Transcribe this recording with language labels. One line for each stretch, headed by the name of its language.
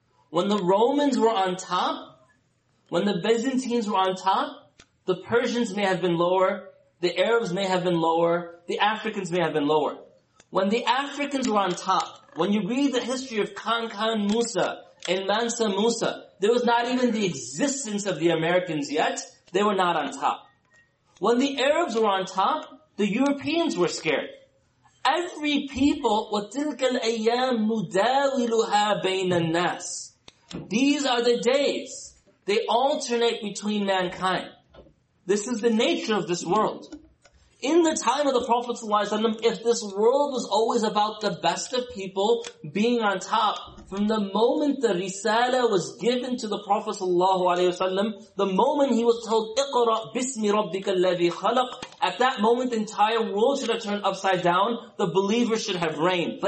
English: When the Romans were on top, when the Byzantines were on top, the Persians may have been lower, the Arabs may have been lower, the Africans may have been lower. When the Africans were on top, when you read the history of Kankan Musa and Mansa Musa, there was not even the existence of the Americans yet. They were not on top. When the Arabs were on top, the Europeans were scared.
Arabic: Every people, وَتِلْكَ الْأَيَّامُ مُدَاوِلُهَا بَيْنَ النَّاسِ.
English: These are the days. They alternate between mankind. This is the nature of this world. In the time of the Prophet ﷺ, if this world was always about the best of people being on top, from the moment the Risala was given to the Prophet ﷺ, the moment he was told,
Arabic: اقرأ بسم ربك الذي خلق,
English: at that moment the entire world should have turned upside down, the believers should have reigned.